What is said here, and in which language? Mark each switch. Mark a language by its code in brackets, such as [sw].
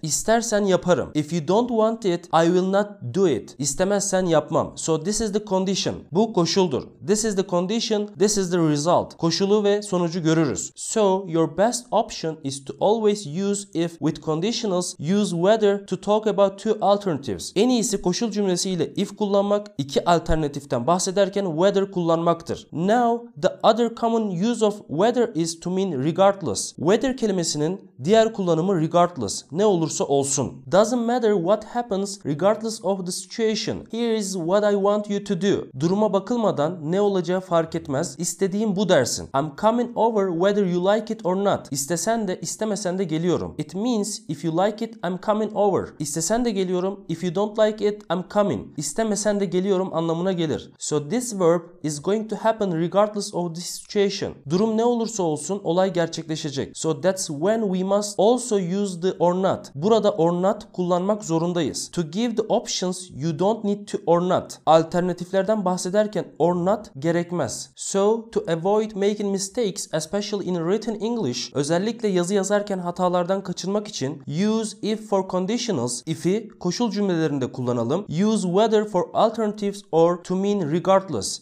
[tr] İstersen yaparım. [en] If you don't want it, I will not do it. [tr] İstemezsen yapmam. [en] So this is the condition. [tr] Bu koşuldur. [en] This is the condition. condition, this is the result. [tr] Koşulu ve sonucu görürüz. [en] So, your best option is to always use if with conditionals, use whether to talk about two alternatives. [tr] En iyisi koşul cümlesiyle if kullanmak, iki alternatiften bahsederken whether kullanmaktır. [en] Now, the other common use of whether is to mean regardless. [tr] Whether kelimesinin diğer kullanımı regardless, ne olursa olsun. [en] Doesn't matter what happens regardless of the situation. Here is what I want you to do. [tr] Duruma bakılmadan ne olacağı fark etmez. İstediğim bu dersin. [en] I'm coming over whether you like it or not. [tr] İstesen de istemesen de geliyorum. [en] It means if you like it I'm coming over. [tr] İstesen de geliyorum. [en] If you don't like it I'm coming. [tr] İstemesen de geliyorum anlamına gelir. [en] So this verb is going to happen regardless of the situation. [tr] Durum ne olursa olsun olay gerçekleşecek. [en] So that's when we must also use the or not. [tr] Burada or not kullanmak zorundayız. [en] To give the options you don't need to or not. [tr] Alternatiflerden bahsederken or not gerekmez. [en] So to avoid making mistakes especially in written English, [tr] özellikle yazı yazarken hatalardan kaçınmak için [en] use if for conditionals, [tr] if'i koşul cümlelerinde kullanalım. [en] Use whether for alternatives or to mean regardless.